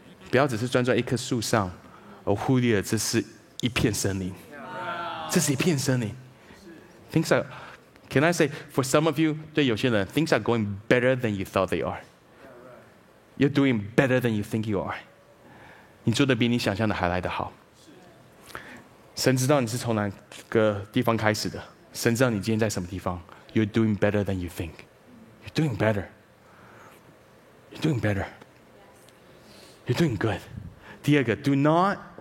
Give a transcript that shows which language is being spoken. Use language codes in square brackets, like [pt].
[zh] 不要只是专注一棵树上，而忽略了这是一片森林，这是一片森林。 [en] Things are, can I say, for some of you, [zh] 对有些人 [en] things are going better than you thought they are. You're doing better than you think you are. [zh] 你做的比你想象的还来得好。神知道你是从哪个地方开始的，神知道你今天在什么地方。 [en] You're doing better than you think. You're doing better. You're doing better. You're doing good. [zh] 第二个 [en] do not.